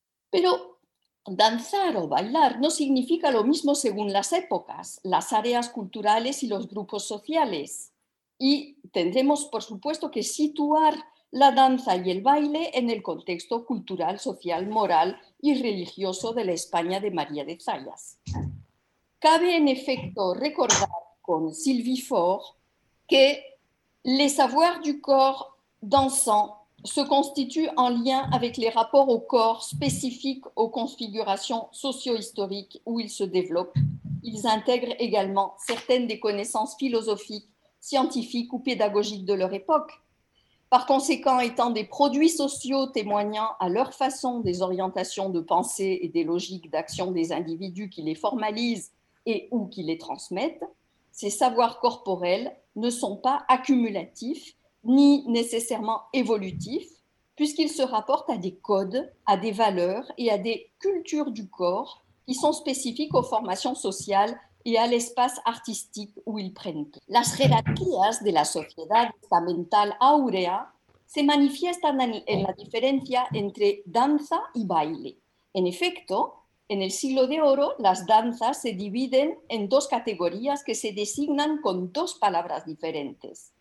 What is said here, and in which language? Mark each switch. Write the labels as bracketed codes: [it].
[es] Pero danzar o bailar no significa lo mismo según las épocas, las áreas culturales y los grupos sociales. Y tendremos, por supuesto, que situar la danza y el baile en el contexto cultural, social, moral y religioso de la España de María de Zayas. Cabe, en efecto, recordar con Sylvie Faure que [fr] les savoirs du corps dansant se constituent en lien avec les rapports au corps spécifiques aux configurations socio-historiques où ils se développent. Ils intègrent également certaines des connaissances philosophiques, scientifiques ou pédagogiques de leur époque. Par conséquent, étant des produits sociaux témoignant à leur façon des orientations de pensée et des logiques d'action des individus qui les formalisent et ou qui les transmettent, ces savoirs corporels ne sont pas accumulatifs ni nécessairement évolutifs, puisqu'ils se rapportent à des codes, à des valeurs et à des cultures du corps qui sont spécifiques aux formations sociales [es] y al espacio artístico [fr] où ils prennent. [es] Las jerarquías de la sociedad estamental áurea se manifiestan en la diferencia entre danza y baile. En efecto, En el siglo de oro, las danzas se dividen en dos categorías que se designan con dos palabras diferentes.